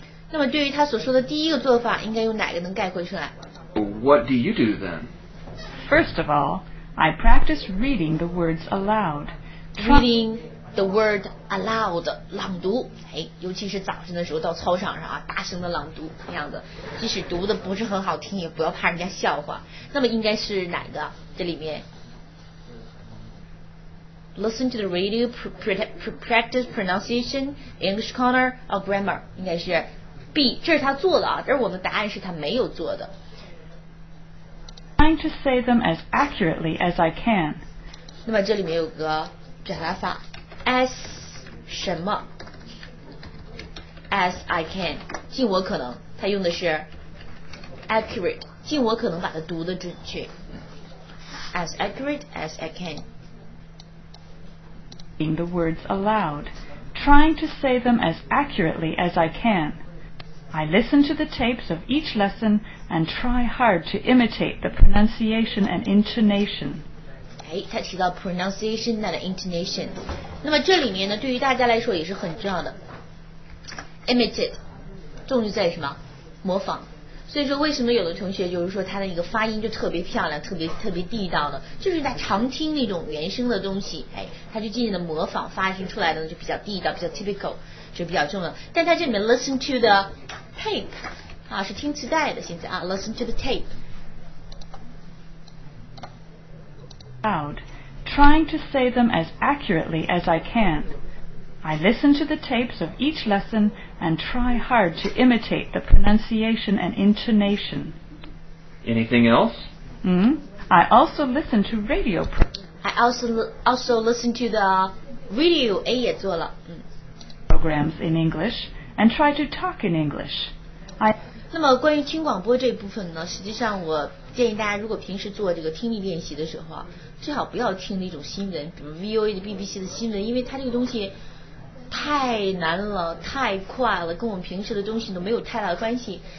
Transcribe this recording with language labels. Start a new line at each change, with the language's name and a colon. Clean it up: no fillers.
Chinese: 那么对于他所说的第一个做法，应该用哪个能概括出来？
English: What do you do then? First of all, I practice reading the words aloud. Reading the word aloud,
Chinese: 朗读。哎，尤其是早晨的时候到操场上啊，大声的朗读那样的。即使读的不是很好听，也不要怕人家笑话。那么应该是哪个？这里面 ，
English: listen to the radio, practice pronunciation, English corner or grammar，
Chinese: 应该是 B。这是他做的啊，但是我们答案是他没有做的。
English: To say them as accurately as I can.
Chinese: 那么这里面有个表达法 ，as 什么 ，
English: as I can，
Chinese: 尽我可能。它用的是 accurate， 尽我可能把它读的准确。
English: As accurate as I can. In the words aloud, trying to say them as accurately as I can. I listen to the tapes of each lesson and try hard to imitate the pronunciation and intonation.
Chinese: 哎，他提到
English: pronunciation and intonation.
Chinese: 那么这里面呢，对于大家来说也是很重要的。 Imitate， 重点在什么？模仿。所以说，为什么有的同学就是说他的一个发音就特别漂亮，特别地道呢？就是他常听那种原声的东西，哎，他就渐渐的模仿发音出来的呢，就比较地道，比较 typical。就比较重要，但它这里面
English: listen to the tape
Chinese: 啊是听磁带的，现在啊 listen to the tape
English: loud trying to say them as accurately as I can. I listen to the tapes of each lesson and try hard to imitate the pronunciation and intonation. Anything else? I also listen to radio. I also listen to the radio.
Chinese: A 也做了。
English: Programs in English and try to talk in English.
Chinese: 那么关于听广播这部分呢，实际上我建议大家，如果平时做这个听力练习的时候啊，最好不要听那种新闻，比如 VOA 的 BBC 的新闻，因为它这个东西太难了，太快了，跟我们平时的东西都没有太大的关系。